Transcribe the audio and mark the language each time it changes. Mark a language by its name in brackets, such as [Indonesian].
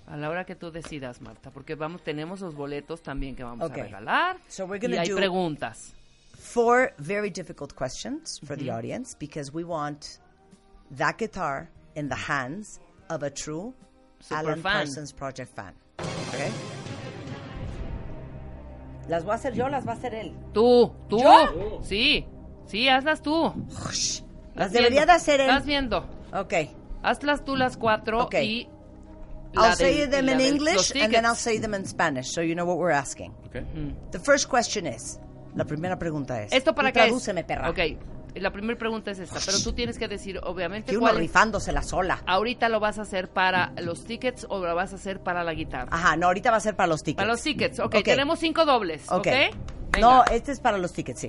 [Spanish] A la hora que tú decidas, Marta, porque tenemos los boletos también que vamos a regalar. [English] So we're going to do. [Spanish] Y hay preguntas. [English] 4 very difficult questions for the audience because we want that guitar in the hands of a true super Alan fan. Parsons Project fan. Okay. [Spanish] ¿Las voy a hacer yo o las va a hacer él? Tú. ¿Yo? Sí, hazlas tú. Las debería de hacer él. Estás viendo. Ok. Hazlas tú las 4 y... [English] I'll say them in English and then I'll say them in Spanish so you know what we're asking. Okay. The first question is... [Spanish] La primera pregunta es... ¿Esto para qué es? Tradúceme, perra. Ok. La primera pregunta es esta, pero tú tienes que decir, obviamente, ¿cuál es? Rifándosela sola. ¿Ahorita lo vas a hacer para los tickets o lo vas a hacer para la guitarra? Ajá, no, ahorita va a ser para los tickets. Para los tickets, okay. Tenemos 5 dobles, ¿ok? No, este es para los tickets, sí.